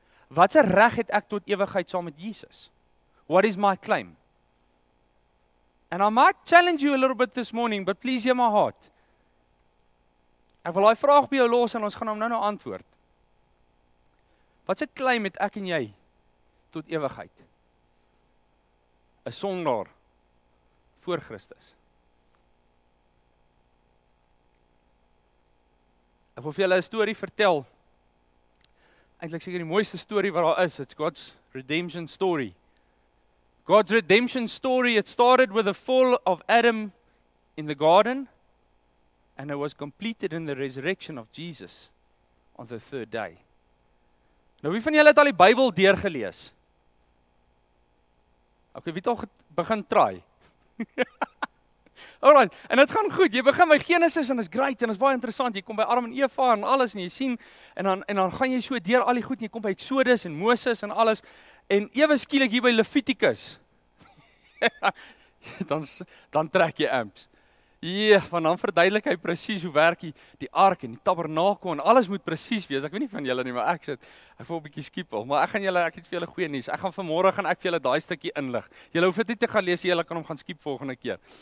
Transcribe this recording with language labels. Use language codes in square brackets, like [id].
[af] Wat se reg het ek tot ewigheid saam met Jesus? [en] What is my claim? And I might challenge you a little bit this morning, but please hear my heart. [af] Ek wil daai vraag by jou los en ons gaan hom nou antwoord. Wat se claim het ek en jy tot ewigheid? 'N sondaar voor Christus. Ek wil vir julle 'n storie vertel. Eintlik seker die mooiste storie wat daar is. [en] It's God's redemption story. God's redemption story, it started with the fall of Adam in the garden and it was completed in the resurrection of Jesus on the third day. [af] Nou wie van julle het al die Bybel deurgelees? Ok, wie het al begin try? Alright, en dit gaan goed, jy begin by Genesis en is great en is baie interessant, jy kom by Adam en Eva en alles en jy sien, en dan gaan jy so deur al die goed en jy kom by Exodus en Moses en alles, en ewe skielik hier by Leviticus, dan trek jy amps. Want dan verduidelik hy precies hoe werk die ark en die tabernakel en alles moet precies wees. Ek weet nie van julle nie, maar ek voel 'n bietjie skiepel. Maar ek het vir julle goeie nuus. Ek gaan vanmôre vir julle daai stukkie inlig. Julle hoef dit nie te gaan lees, julle kan hom gaan skiep volgende keer.